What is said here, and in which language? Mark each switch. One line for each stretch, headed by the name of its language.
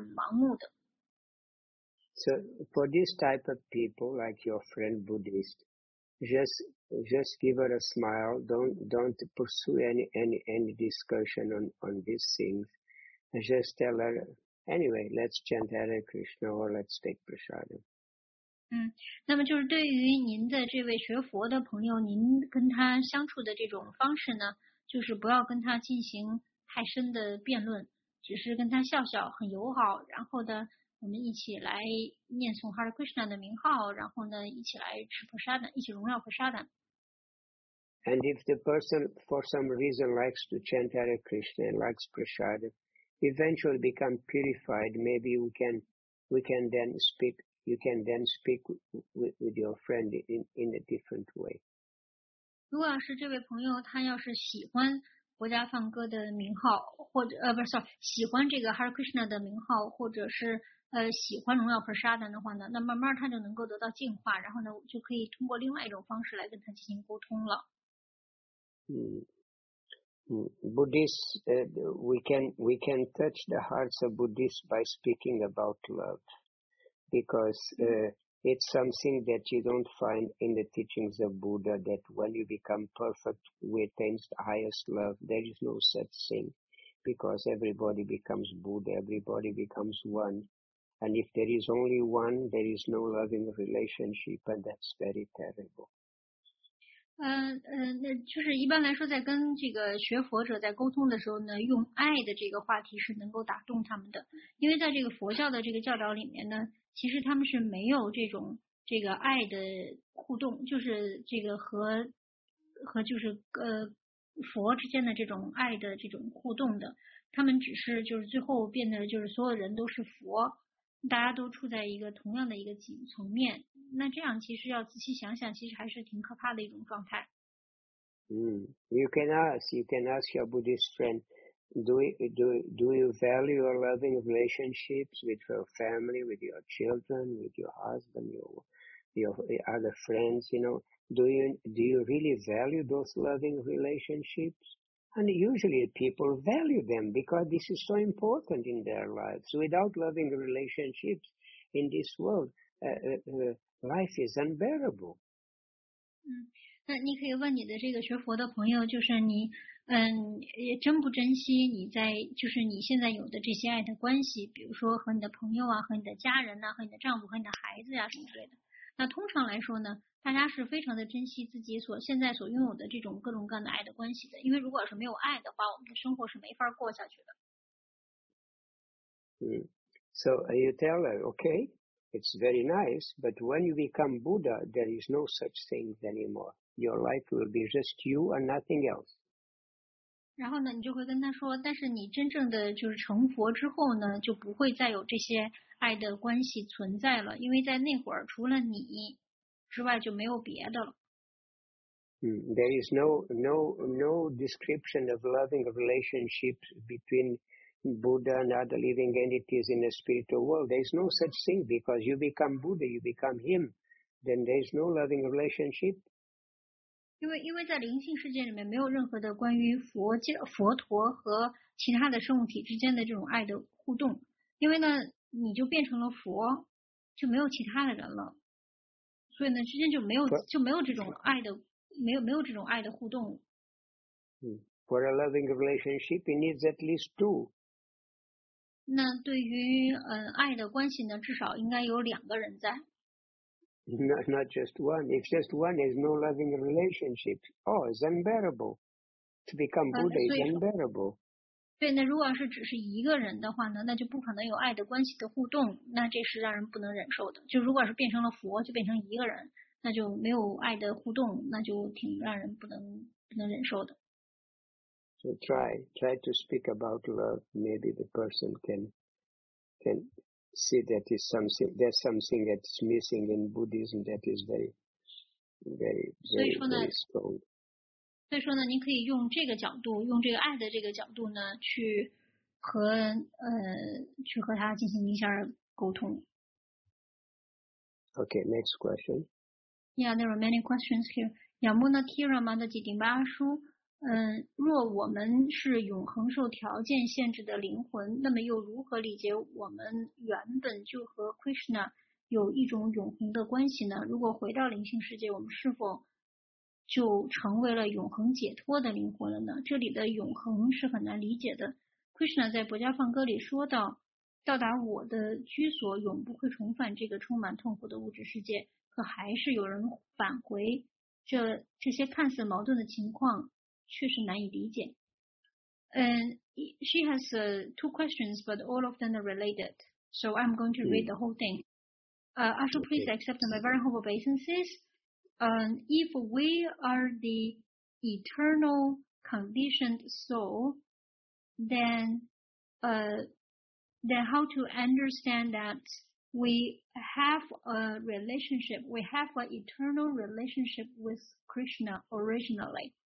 Chinese: 所以呢，他们是处在一个特定的修习的路途之中，是有信仰的，但是这种信仰呢是很盲目的。
English: So for this type of people, like your friend Buddhist, just give her a smile. Don't pursue any discussion on these things. just tell her, anyway, let's chant Hare Krishna or let's take prasadam.
Chinese: 那么就是对于您的这位学佛的朋友，您跟他相处的这种方式呢，就是不要跟他进行太深的辩论，只是跟他笑笑，很友好，然后呢，我们一起来念诵 Hare Krishna 的名号，然后呢，一起来吃菩萨蛋，一起荣耀菩萨蛋。
English: And if the person for some reason likes to chant Hare Krishna and likes prasad, eventually become purified, maybe we can then speak. You can then speak with your friend in a different way.
Chinese: 如果要是这位朋友他要是喜欢国家梵歌的名号或者喜欢这个 Hare Krishna 的名号或者是喜欢荣耀 Prasadam 的话呢，那慢慢他就能够得到净化，然后呢就可以通过另外一种方式来跟他进行沟通了。
English: Buddhists, we can touch the hearts of Buddhists by speaking about love. Because it's something that you don't find in the teachings of Buddha, that when you become perfect, we attain the highest love. There is no such thing, because everybody becomes Buddha, everybody becomes one. And if there is only one, there is no love in the relationship, and that's very terrible.
Chinese: 就是一般来说，在跟这个学佛者在沟通的时候呢，用爱的这个话题是能够打动他们的，因为在这个佛教的这个教导里面呢，其实他们是没有这种这个爱的互动，就是这个和就是佛之间的这种爱的这种互动的，他们只是就是最后变得就是所有人都是佛，大家都处在一个同样的一个层面，那这样其实要仔细想想，其实还是挺可怕的一种状态。
English: You can ask your Buddhist friend. Do you value your loving relationships with your family, with your children, with your husband, your other friends? You know, do you really value those loving relationships? And usually people value them because this is so important in their lives. Without loving relationships in this world, life is unbearable.
Chinese: 那你可以问你的这个学佛的朋友，就是你。也珍不珍惜你在就是你现在有的这些爱的关系，比如说和你的朋友啊，和你的家人啊，和你的丈夫，和你的孩子呀、啊、什么之类的。那通常来说呢，大家是非常的珍惜自己所现在所拥有的这种各种各样的爱的关系的，因为如果是没有爱的话，我们的生活是没法过下去的。
English: So you tell her, okay, it's very nice, but when you become Buddha, there is no such thing anymore. Your life will be just you and nothing else.
Chinese: 然后呢，你就会跟他说，但是你真正的就是成佛之后呢，就不会再有这些爱的关系存在了，因为在那会儿除了你之外就没有别的了。
English: There is no description of loving relationships between Buddha and other living entities in the spiritual world. There is no such thing because you become Buddha, you become him. Then there is no loving relationship.
Chinese: 因为在灵性世界里面没有任何的关于佛陀和其他的生物体之间的这种爱的互动，因为呢你就变成了佛，就没有其他的人了，所以呢之间就没有这种爱的没有这种爱的互动。
English: For a loving relationship, it needs at least two.
Chinese: 那对于爱的关系呢，至少应该有两个人在。
English: Not just one. If just one is no loving relationship, oh, it's unbearable. To become Buddha is unbearable.
Chinese: 对，那如果是只是一个人的话呢，那就不可能有爱的关系的互动，那这是让人不能忍受的。就如果是变成了佛，就变成一个人，那就没有爱的互动，那就挺让人不能忍受的。
English: So try to speak about love. Maybe the person can. See that is something. There's something that's missing in Buddhism that is very, very, very, very strong.
Chinese: 所以说呢，您可以用这个角度，用这个爱的这个角度呢，去和他进行一下沟通。
English: Okay, next question. Yeah, there are many questions here. Yamuna Kirama
Chinese: 的姐弟妈说。若我们是永恒受条件限制的灵魂，那么又如何理解我们原本就和 Krishna 有一种永恒的关系呢？如果回到灵性世界，我们是否就成为了永恒解脱的灵魂了呢？这里的永恒是很难理解的。 Krishna 在博迦放歌里说到，到达我的居所永不会重返这个充满痛苦的物质世界，可还是有人返回，这些看似矛盾的情况确实难以理解。
English: She has two questions, but all of them are related. So I'm going to read the whole thing. Asha, please accept my very humble obeisances. If we are the eternal conditioned soul, then how to understand that we have a relationship, we have an eternal relationship with Krishna originally?